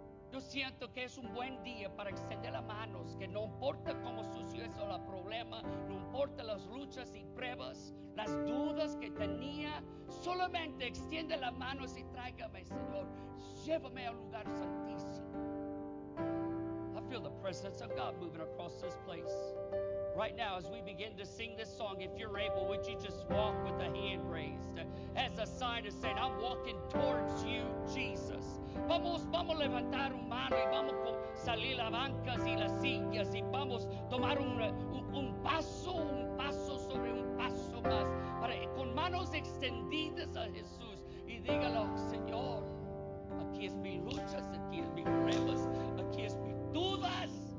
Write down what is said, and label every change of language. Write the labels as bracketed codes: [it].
[es] Yo siento que es un buen día para extender las manos, que no importa cómo sucedió el problema, no importa las luchas y pruebas, las dudas que tenía, solamente extiende las manos y tráigame, Señor. Llévame al lugar santísimo. [en] I feel the presence of God moving across this place. Right now, as we begin to sing this song, if you're able, would you just walk with a hand raised as a sign of saying, I'm walking towards you, Jesus. [es] Vamos, vamos a levantar un mano y vamos a salir las bancas y las sillas y vamos a tomar un paso sobre un paso más para, con manos extendidas a Jesús y dígalo, Señor, aquí es mi lucha, aquí es mi prueba, aquí es mi dudas.